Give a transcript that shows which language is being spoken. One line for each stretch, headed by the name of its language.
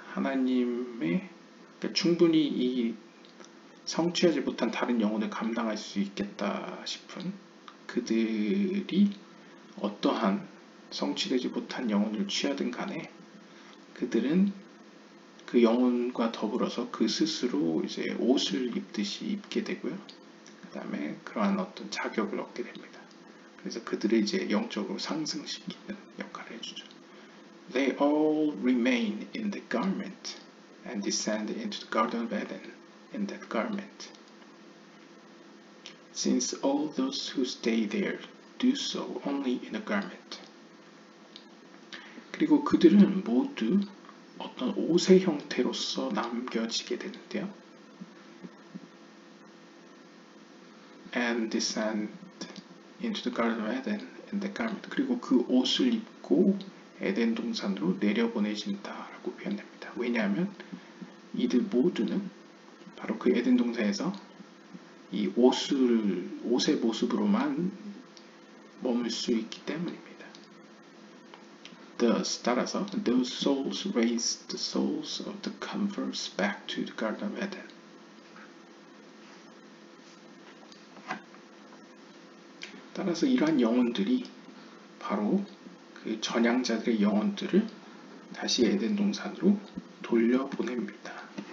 Korean: 하나님의 그러니까 충분히 이 성취하지 못한 다른 영혼을 감당할 수 있겠다 싶은 그들이 어떠한 성취되지 못한 영혼을 취하든 간에 그들은 그 영혼과 더불어서 그 스스로 이제 옷을 입듯이 입게 되고요. 그 다음에 그러한 어떤 자격을 얻게 됩니다. 그래서 그들을 이제 영적으로 상승시키는 역할을 해주죠.
English: They all remain in the garment and descend into the Garden of Eden in that garment. Since all those who stay there do so only in a garment.
Korean: 그리고 그들은 모두 어떤 옷의 형태로서 남겨지게 되는데요.
English: And descend into the Garden of Eden in the garment.
Korean: 그리고 그 옷을 입고 에덴 동산으로 내려보내진다라고 표현됩니다. 왜냐하면 이들 모두는 바로 그 에덴 동산에서 이 옷의 모습으로만 머물 수 있기 때문입니다.
English: Thus,
Korean: 따라서
English: those souls raised the souls of the converts back to the Garden of Eden.
Korean: 따라서 이러한 영혼들이 바로 그 전향자들의 영혼들을 다시 에덴 동산으로 돌려보냅니다.